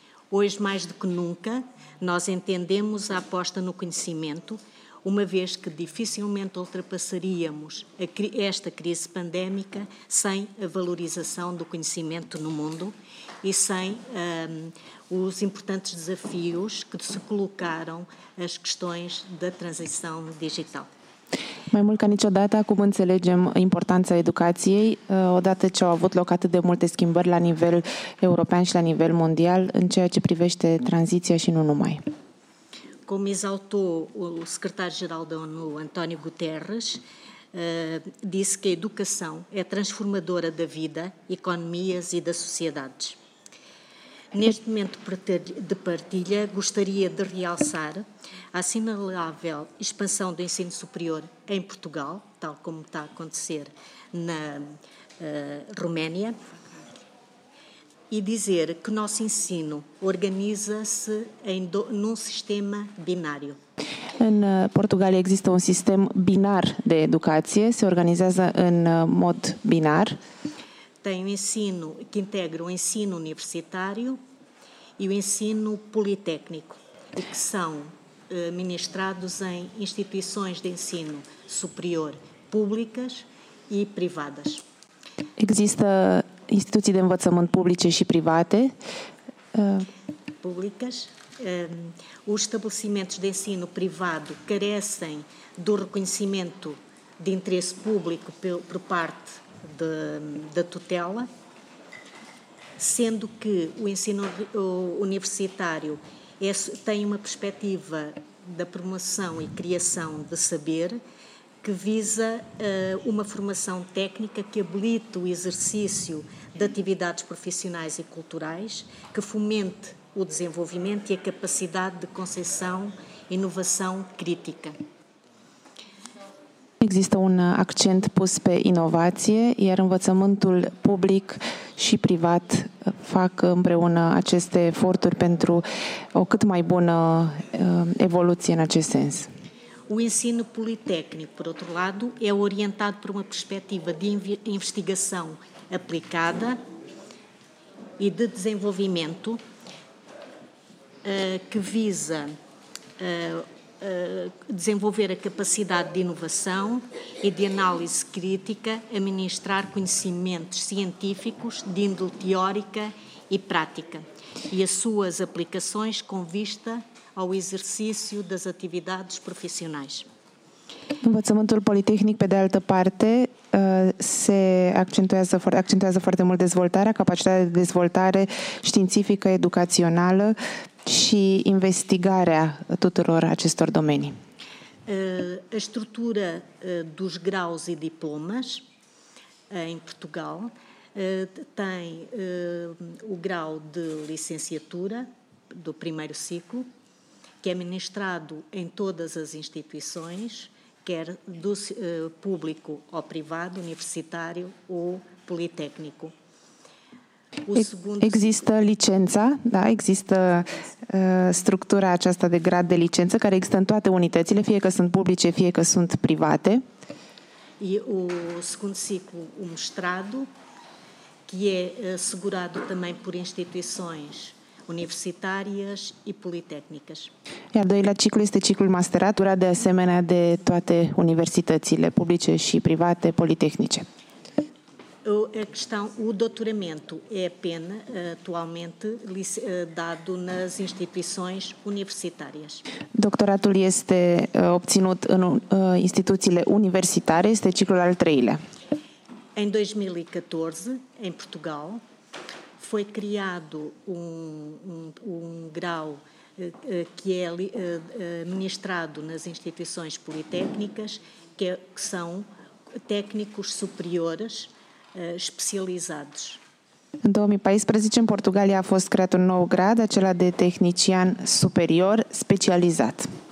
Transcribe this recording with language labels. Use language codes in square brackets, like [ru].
[pt] Hoje, mais do que nunca, nós entendemos a aposta no conhecimento, uma vez que dificilmente ultrapassaríamos esta crise pandémica sem a valorização do conhecimento no mundo e sem os importantes desafios que se colocaram às questões da transição digital. [ro] Mai mult ca niciodată acum înțelegem importanța educației, odată ce au avut loc atât de multe schimbări la nivel european și la nivel mondial în ceea ce privește tranziția și nu numai. [pt] Cum exaltou o secretar-geral da ONU, António Guterres, disse que a educação é transformadora da vida, economias e da sociedade. Neste momento de partilha, gostaria de realçar a assinalável expansão do ensino superior em Portugal, tal como está a acontecer na Roménia, e dizer que o nosso ensino organiza-se num sistema binário. [ro] În Portugal există un sistem binar de educație, se organizează în mod binar. [pt] Tem um ensino que integra o ensino universitário e o ensino politécnico, e que são ministrados em instituições de ensino superior públicas e privadas. [ro] Există instituții de învățământ publice și private. [pt] Públicas. Os estabelecimentos de ensino privado carecem do reconhecimento de interesse público por parte da tutela, sendo que o ensino universitário tem uma perspectiva da promoção e criação de saber que visa uma formação técnica que habilite o exercício de atividades profissionais e culturais, que fomente o desenvolvimento e a capacidade de concepção e inovação crítica. [ro] Există un accent pus pe inovație, iar învățământul public și privat fac împreună aceste eforturi pentru o cât mai bună evoluție în acest sens. [pt] O ensino politécnico, por outro lado, é orientado por uma perspectiva de investigação aplicada e de desenvolvimento que visa desenvolver a capacidade de inovação e de análise crítica, administrar conhecimentos científicos de índole teórica e prática e as suas aplicações com vista ao exercício das atividades profissionais. [ro] Învățământul politehnic, pe de altă parte, se accentuează foarte mult dezvoltarea, capacitatea de dezvoltare științifică, educațională și investigarea tuturor acestor domenii. [pt] A structura dos graus e diplomas în Portugal tem o grau de licenciatura do primeiro ciclo, que é ministrado em todas as instituições, quer do público ou privado, universitário ou politécnico. [ro] Există licența, da, există structura aceasta de grad de licență care există în toate unitățile, fie că sunt publice, fie că sunt private. [pt] E o segundo ciclo, o mestrado, que é assegurado também por instituições universitárias e politécnicas. [ro] Iar doilea ciclu este ciclul masteratura, de asemenea de toate universitățile publice și private, politehnice. [pt] A questão, o doutoramento é apenas atualmente dado nas instituições universitárias. [ro] Doctoratul este obținut în instituțiile universitare, este ciclul al treilea. [pt] Em 2014, em Portugal, foi criado um grau que é ministrado nas instituições politécnicas, que são técnicos superiores especializados. [ro] În 2014, în Portugalia, a fost creat un nou grad, acela de tehnician superior specializat.